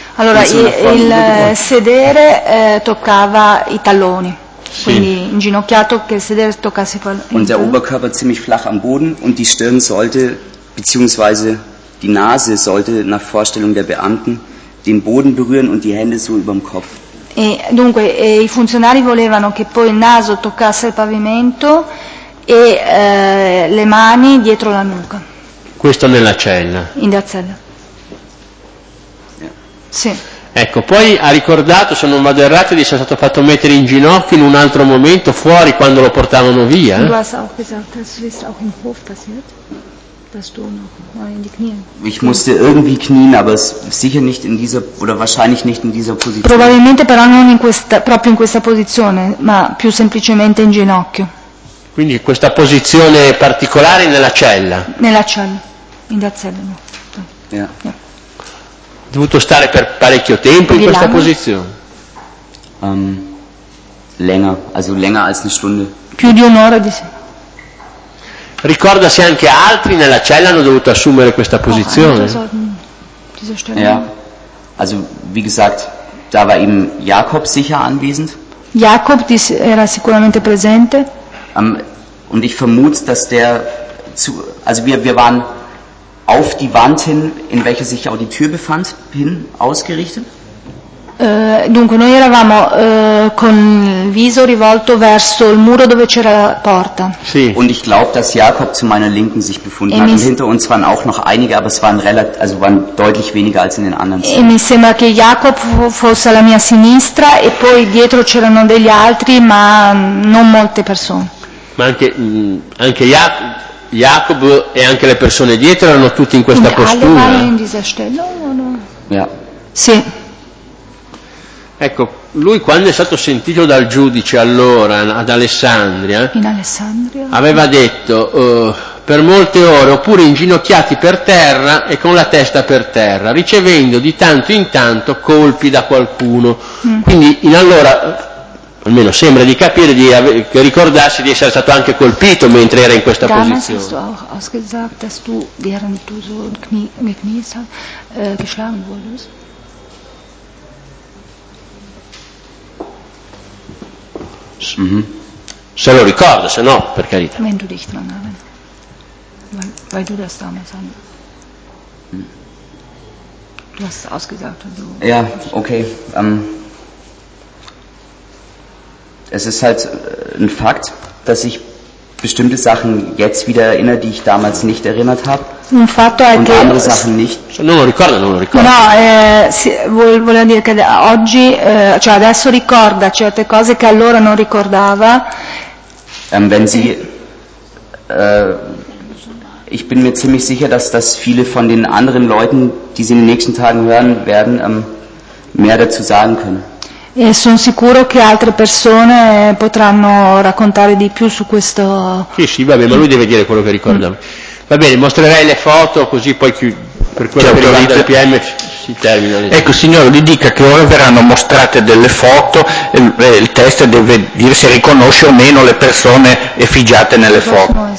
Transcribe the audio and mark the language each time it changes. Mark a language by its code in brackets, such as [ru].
[it] Allora, so il sedere toccava i talloni, sì. Quindi inginocchiato che il sedere toccasse i talloni. [de] Und der Oberkörper ziemlich flach am Boden und die Stirn sollte, beziehungsweise die Nase sollte nach Vorstellung der Beamten den Boden berühren und die Hände so über dem Kopf. [it] E dunque i funzionari volevano che poi il naso toccasse il pavimento e le mani dietro la nuca. Questo nella cella. [de] In der cella. [it] Sì. Ecco, poi ha ricordato, se non vado errato, di essere stato fatto mettere in ginocchio in un altro momento fuori quando lo portavano via. [de] Du hast auch gesagt, das ist auch im Hof passiert, dass du noch mal in die Knie. Ich musste irgendwie knien, aber sicher nicht in dieser oder wahrscheinlich nicht in dieser Position. [it] Probabilmente però non in questa, proprio in questa posizione, ma più semplicemente in ginocchio. Quindi questa posizione particolare nella cella. Nella cella, [de] in der Zelle. [it] No. [en] Yeah. Yeah. [it] Dovuto stare per parecchio tempo in questa [de] lange? [it] Posizione? [de] Länger, also länger als eine Stunde. [it] Più di un'ora di sé. Ricorda se anche altri nella cella hanno dovuto assumere questa posizione. [de] Ja, also wie gesagt, da war eben Jakob sicher anwesend. [it] Jakob era sicuramente presente. [de] Und ich vermute, dass der zu, also wir waren auf die Wand hin, in welcher sich auch die Tür befand, hin ausgerichtet. [it] Dunque, noi eravamo con il viso rivolto verso il muro dove c'era la porta. Sì. [de] Und ich glaube, dass Jakob zu meiner Linken sich befunden hat. Und hinter uns waren auch noch einige, aber es waren relativ, also waren deutlich weniger als in den anderen Zimmern. [it] E mi sembra che Jakob fosse alla mia sinistra e poi dietro c'erano degli altri, ma non molte persone. Ma anche Jakob e anche le persone dietro erano tutti in questa postura. [de] In dieser Stellung, no? Ja. [it] Sì. Ecco, lui quando è stato sentito dal giudice allora ad Alessandria, in Alessandria aveva detto per molte ore oppure inginocchiati per terra e con la testa per terra, ricevendo di tanto in tanto colpi da qualcuno. Quindi in allora, almeno sembra di capire, che ricordarsi di essere stato anche colpito mentre era in questa [de] damals [it] posizione. [de] Damals hast du auch gesagt, dass du während du so geschlagen wurdest. Mm-hmm. [it] Se lo ricorda, se no, per carità. [de] Wenn du dich dran erinnern. Weil du das damals an. Du hast es ausgesagt. Und du ja, okay. Es ist halt ein Fakt, dass ich bestimmte Sachen jetzt wieder erinnere, die ich damals nicht erinnert habe. [it] Un fatto è [de] und [it] che [de] andere Sachen nicht. [it] Non lo ricorda, non lo ricorda. No, volevo dire che oggi, cioè adesso ricorda certe cose che allora non ricordava. [de] Wenn sie, ich bin mir ziemlich sicher, dass das viele von den anderen Leuten, die sie in den nächsten Tagen hören werden, mehr dazu sagen können. [it] E sono sicuro che altre persone potranno raccontare di più su questo. Sì, sì, va bene, ma lui deve dire quello che ricorda. Va bene, mostrerei le foto così poi per quello che riguarda il PM si termina. Ecco, signore, gli dica che ora verranno mostrate delle foto e il test deve dire se riconosce o meno le persone effigiate nelle foto.